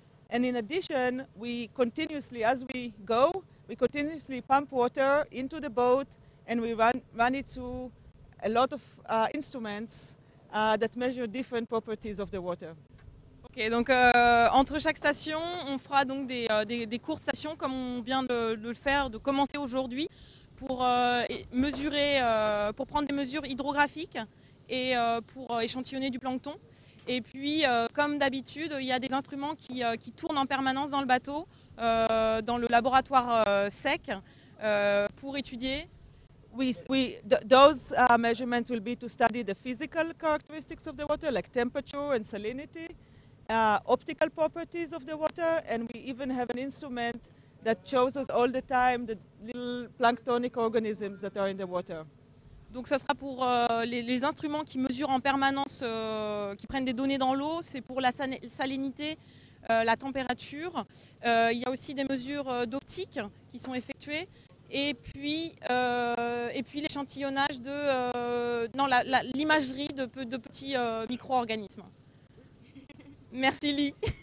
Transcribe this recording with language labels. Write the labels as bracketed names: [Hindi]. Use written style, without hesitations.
[English] And in addition, we continuously, as we go, we continuously pump water into the boat and we run it through a lot of instruments that measure different properties of the water. [French] Ok, donc entre chaque station, on fera donc des courtes stations comme on vient de le faire, de commencer aujourd'hui, pour mesurer, pour prendre des mesures hydrographiques et pour échantillonner du plancton. Et puis, comme d'habitude, il y a des instruments qui tournent en permanence dans le bateau, dans le laboratoire sec, pour étudier. [English] Those measurements will be to study the physical characteristics of the water, like temperature and salinity, optical properties of the water, and we even have an instrument that shows us all the time the little planktonic organisms that are in the water. [French] Donc ça sera pour les instruments qui mesurent en permanence, qui prennent des données dans l'eau, c'est pour la salinité, la température. Il y a aussi des mesures d'optique qui sont effectuées. Et puis l'échantillonnage de l'imagerie de petits micro-organismes. Merci Lee.